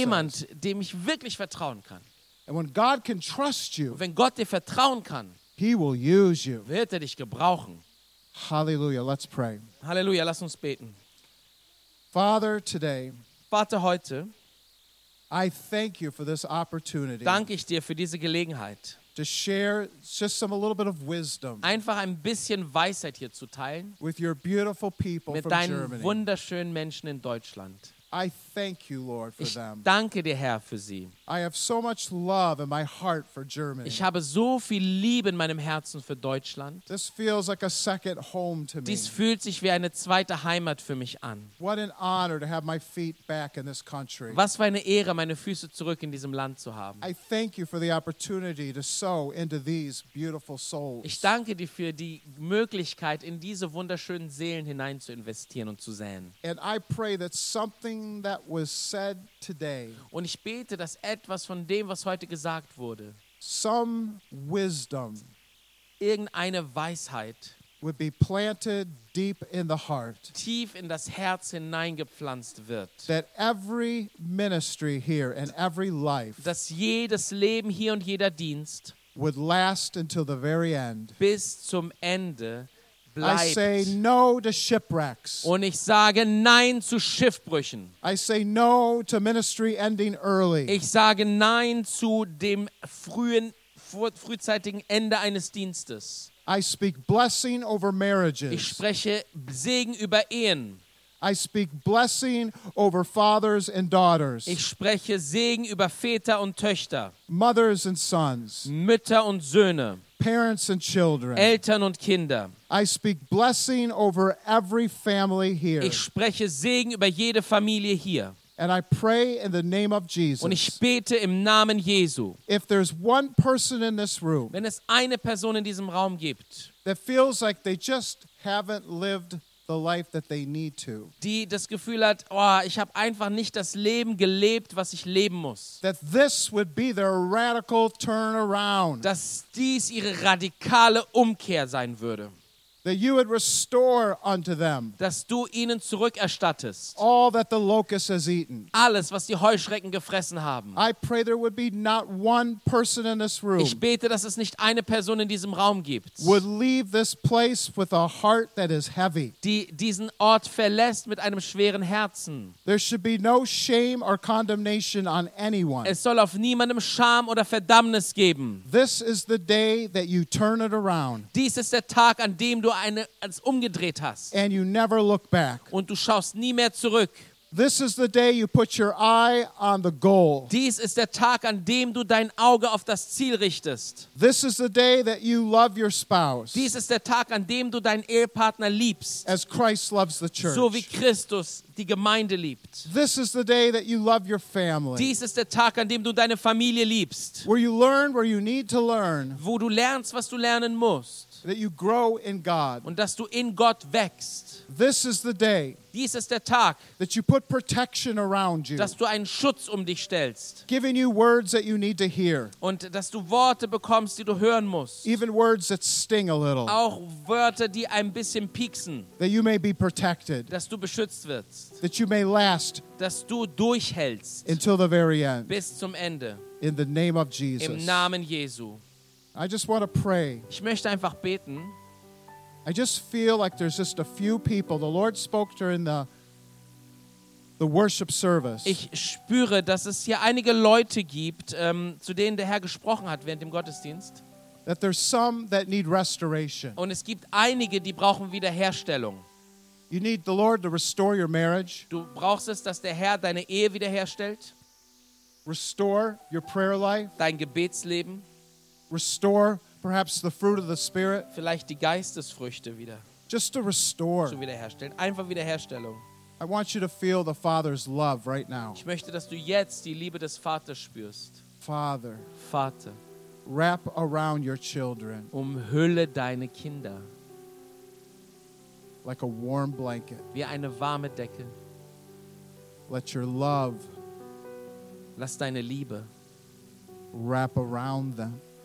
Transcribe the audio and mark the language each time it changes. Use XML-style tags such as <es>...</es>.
<de>Jemand,</de> <en>says.</en> <de>Dem ich wirklich vertrauen kann.</de> <en>And when God can trust you,</en> <de>wenn Gott dir vertrauen kann,</de> <en>he will use you.</en> <de>Wird er dich gebrauchen.</de> <en>Hallelujah, let's pray.</en> <de>Halleluja, lass uns beten.</de> <en>Father, today,</en> <de>Vater, heute,</de> <en>I thank you for this opportunity.</en> <de>Danke ich dir für diese Gelegenheit,</de> <en>to share just some a little bit of wisdom.</en> <de>Einfach ein bisschen Weisheit hier zu teilen.</de> <en>With your beautiful people from Germany.</en> <de>Mit deinen wunderschönen Menschen in Deutschland.</de> <en>I thank you, Lord, for</en> <de>ich</de> <en>them.</en> <de>Ich danke dir, Herr, für sie.</de> <en>I have so much love in my heart for Germany.</en> <de>Ich habe so viel Liebe in meinem Herzen für Deutschland.</de> <en>This feels like a second home to me.</en> <de>Dies fühlt sich wie eine zweite Heimat für mich an.</de> <en>What an honor to have my feet back in this country.</en> <de>Was für eine Ehre, meine Füße zurück in diesem Land zu haben.</de> <en>I thank you for the opportunity to sow into these beautiful souls.</en> <de>Ich danke dir für die Möglichkeit, in diese wunderschönen Seelen hinein zu investieren und zu säen.</de> <en>And I pray that something that was said today.</en> <de>Und ich bete, dass etwas von dem, was heute gesagt wurde,</de> <en>some wisdom,</en> <de>irgendeine Weisheit,</de> <en>would be planted deep in the heart.</en> <de>Tief in das Herz hineingepflanzt wird.</de> <en>That every ministry here and every life,</en> <de>dass jedes Leben hier und jeder Dienst,</de> <en>would last until the very end.</en> <de>Bis zum Ende. Bleibt.</de> <en>I say no to shipwrecks.</en> <de>Und ich sage nein zu Schiffbrüchen.</de> <en>I say no to ministry ending early.</en> <de>Ich sage nein zu dem frühzeitigen Ende eines Dienstes.</de> <en>I speak blessing over marriages.</en> <de>Ich spreche Segen über Ehen.</de> <en>I speak blessing over fathers and daughters.</en> <de>Ich spreche Segen über Väter und Töchter.</de> <en>Mothers and sons.</en> <de>Mütter und Söhne.</de> <en>Parents and children.</en> <de>Eltern und Kinder.</de> <en>I speak blessing over every family here.</en> <de>Ich spreche Segen über jede Familie hier.</de> <en>And I pray in the name of Jesus.</en> <de>Und ich bete im Namen Jesu.</de> <en>If there's one person in this room.</en> <de>Wenn es eine Person in diesem Raum gibt.</de> <en>That feels like they just haven't lived the life that they need to.</en> <de>Die das Gefühl hat, oh, ich habe einfach nicht das Leben gelebt, was ich leben muss.</de> <en>That this would be their radical turnaround.</en> <de>Dass dies ihre radikale Umkehr sein würde.</de> <en>That you would restore unto them.</en> <de>Dass du ihnen zurückerstattest.</de> <en>All that the locust has eaten.</en> <de>Alles, was die Heuschrecken gefressen haben.</de> <en>I pray there would be not one person in this room.</en> <de>Ich bete, dass es nicht eine Person in diesem Raum gibt.</de> <en>Would leave this place with a heart that is heavy.</en> <de>Die diesen Ort verlässt mit einem schweren Herzen.</de> <en>There should be no shame or condemnation on anyone.</en> <de>Es soll auf niemandem Scham oder Verdammnis geben.</de> <en>This is the day that you turn it around.</en> <de>Dies ist der Tag, an dem du es umgedreht hast.</de> <en>And you never look back.</en> <de>Und du schaust nie mehr zurück.</de> <en>This is the day you put your eye on the goal.</en> <de>Dies ist der Tag, an dem du dein Auge auf das Ziel richtest.</de> <en>This is the day that you love your spouse.</en> <de>Dies ist der Tag, an dem du deinen Ehepartner liebst.</de> <en>As Christ loves the church.</en> <de>So wie Christus die Gemeinde liebt.</de> <en>This is the day that you love your family.</en> <de>Dies ist der Tag, an dem du deine Familie liebst.</de> <en>Where you learn where you need to learn.</en> <de>Wo du lernst, was du lernen musst.</de> <en>That you grow in God.</en> <de>Und dass du in Gott wächst.</de> <en>This is the day.</en> <de>Dies ist der Tag.</de> <en>That you put protection around you.</en> <de>Dass du einen Schutz um dich stellst.</de> <en>Giving you words that you need to hear.</en> <de>Und dass du Worte bekommst, die du hören musst.</de> <en>Even words that sting a little.</en> <de>Auch Wörter, die ein bisschen pieksen.</de> <en>That you may be protected.</en> <de>Dass du beschützt wirst.</de> <en>That you may last.</en> <de>Dass du durchhältst.</de> <en>Until the very end.</en> <de>Bis zum Ende.</de> <en>In the name of Jesus.</en> <de>Im Namen Jesu.</de> <en>I just want to pray.</en> <de>Ich möchte einfach beten.</de> <en>I just feel like there's just a few people. The Lord spoke during the worship service.</en> <de>Ich spüre, dass es hier einige Leute gibt, zu denen der Herr gesprochen hat während dem Gottesdienst.</de> <en>That there's some that need restoration.</en> <de>Und es gibt einige, die brauchen Wiederherstellung.</de> <en>You need the Lord to restore your marriage.</en> <de>Du brauchst es, dass der Herr deine Ehe wiederherstellt.</de> <en>Restore your prayer life.</en> <de>Dein Gebetsleben.</de> <en>Restore perhaps the fruit of the Spirit.</en> <de>Vielleicht die Geistesfrüchte wieder.</de> <en>Just to restore.</en> <de>Zu wiederherstellen. Einfach Wiederherstellung.</de> <en>I want you to feel the Father's love right now.</en> <de>Ich möchte, dass du jetzt die Liebe des Vaters spürst.</de> <en>Father.</en> <de>Vater.</de> <en>Wrap around your children.</en> <de>Umhülle deine Kinder.</de> <en>Like a warm blanket.</en> <de>Wie eine warme Decke.</de> <en>Let your love.</en> <de>Lass deine Liebe.</de> <en>Wrap around them.</en>